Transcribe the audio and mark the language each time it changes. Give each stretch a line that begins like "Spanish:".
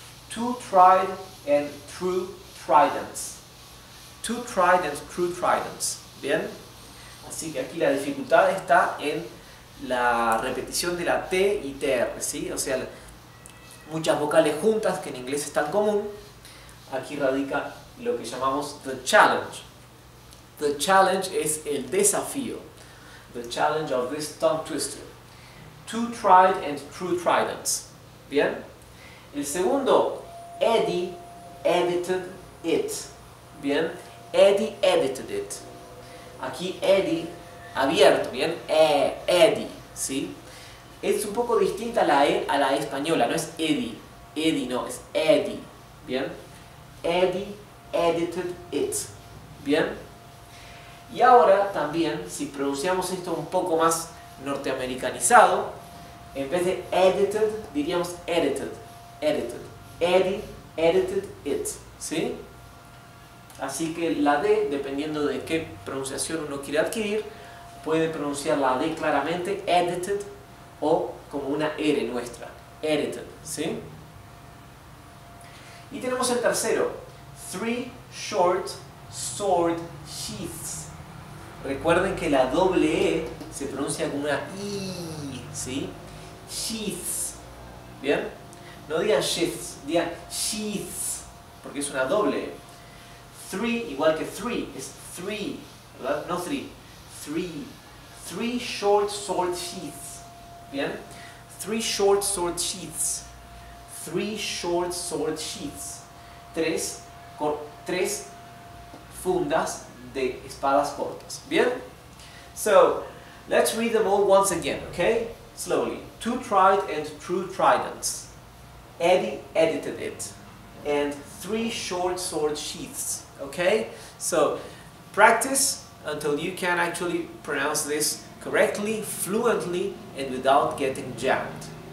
English: Two tried and true tridents. Two tried and true tridents.
Spanish: ¿Bien? Así que aquí la dificultad está en la repetición de la T y TR, ¿sí? O sea, muchas vocales juntas que en inglés es tan común. Aquí radica lo que llamamos the challenge. The challenge es el desafío.
English: The challenge of this tongue twister. Two tried and true tridents.
Spanish: ¿Bien? El segundo,
English: Eddie edited it.
Spanish: ¿Bien?
English: Eddie edited it.
Spanish: Aquí Eddie abierto, ¿bien? Eddie, ¿sí? Es un poco distinta la E a la E española, no es Eddie. Eddie, no, es Eddie. ¿Bien?
English: Eddie edited it.
Spanish: ¿Bien? Y ahora también, si pronunciamos esto un poco más norteamericanizado, en vez de edited, diríamos edited. Edited.
English: Eddie edited it.
Spanish: ¿Sí? Así que la D, dependiendo de qué pronunciación uno quiere adquirir, puede pronunciar la D claramente, edited, o como una R nuestra.
English: Edited. ¿Sí?
Spanish: Y tenemos el tercero.
English: Three short sword sheaths.
Spanish: Recuerden que la doble E se pronuncia como una I, ¿sí? Sheaths. ¿Bien? No digan sheaths, digan sheaths, porque es una doble E. Three, igual que three, es three, ¿verdad?
English: No three, three. Three short sword sheaths. ¿Bien? Three short sword sheaths. Three short sword sheaths.
Spanish: Tres fundas de espadas cortas. ¿Bien?
English: So, let's read them all once again, okay? Slowly. Two tried and true tridents. Eddie edited it. And three short sword sheaths. Okay? So, practice until you can actually pronounce this correctly, fluently, and without getting jammed.